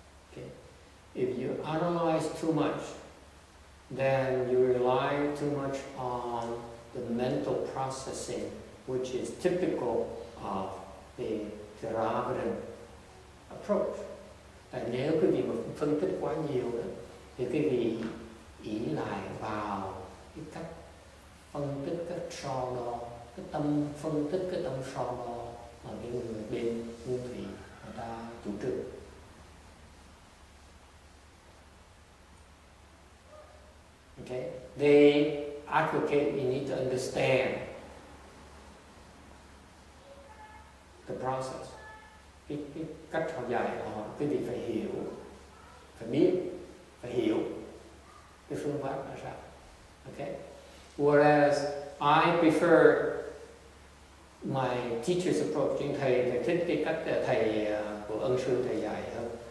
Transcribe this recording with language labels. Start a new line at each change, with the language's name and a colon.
English: Okay. If you analyze too much, then you rely too much on the mental processing, which is typical of the Theravada approach.
Vietnamese: Tại nếu quý vị mà phân tích quá nhiều đó, thì quý vị ý lại vào cái cách phân tích cái so đo, cái tâm phân tích cái tâm so đo mà cái người bên nguyên thủy người ta chủ trương.
English: Okay, they advocate we need to understand the process.
Vietnamese: Cái cách họ dạy họ, quý vị phải hiểu, phải biết, phải hiểu cái phương pháp là sao. Okay.
English: Whereas I prefer my teacher's approach.
Vietnamese: Chính thầy thích cái cách thầy của ân sư thầy dạy hơn.